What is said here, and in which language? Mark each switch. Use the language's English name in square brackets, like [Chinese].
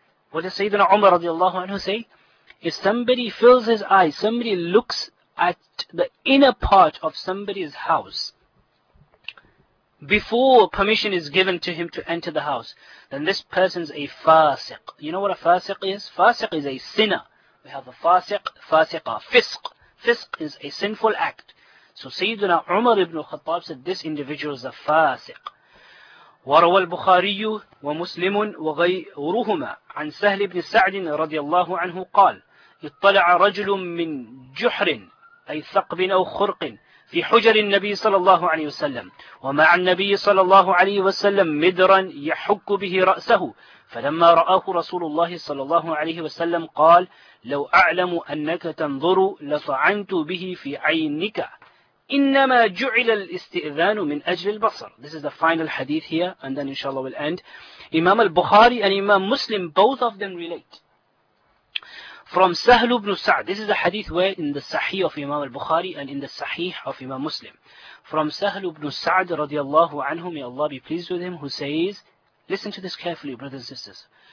[English] What does Sayyidina Umar radiallahu anhu say? If somebody fills his eyes, somebody looks at the inner part of somebody's house before permission is given to him to enter the house, then this person's a fasiq. You know what a fasiq is? Fasiq is a sinner. We have a fasiq, fasiqa, fisq. Fisq is a sinful act. So Sayyidina Umar ibn al-Khattab said this individual is a fasiq. [Arabic] وروى البخاري ومسلم وغيرهما عن سهل بن سعد رضي الله عنه قال اطلع رجل من جحر أي ثقب أو خرق في حجر النبي صلى الله عليه وسلم ومع النبي صلى الله عليه وسلم مدرا يحك به رأسه فلما رآه رسول الله صلى الله عليه وسلم قال لو أعلم أنك تنظر لطعنت به في عينك إنما جعل الاستئذان من أجل البصر. [English] This is the final hadith here, and then inshallah will end. Imam al-Bukhari and Imam Muslim, both of them relate from Sahl ibn Sa'd. This is a hadith where in the Sahih of Imam al-Bukhari and in the Sahih of Imam Muslim, from Sahl ibn Sa'd radiallahu anhu, may Allah be pleased with him, who says, listen to this carefully, brothers and sisters.